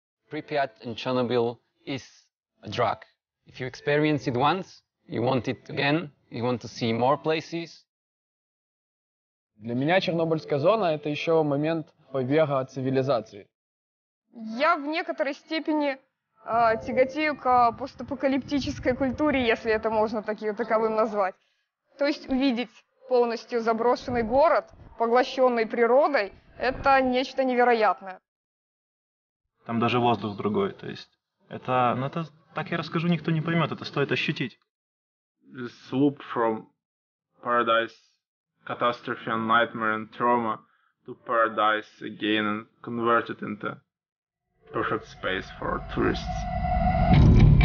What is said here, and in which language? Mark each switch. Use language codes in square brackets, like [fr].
[en] Pripyat in Chernobyl is a drug. If you experience it once, you want it again, you want to see more places. [ru] Для меня Чернобыльская зона – это еще момент побега от цивилизации. Я в некоторой степени тяготею к постапокалиптической культуре, если это можно таковым назвать. То есть увидеть полностью заброшенный город, поглощенный природой – это нечто невероятное. Там даже воздух другой, то есть. Это, ну это, так я расскажу, никто не поймет, это стоит ощутить. [en] The swoop from paradise, catastrophe and nightmare and trauma to paradise again and convert it into perfect space for tourists.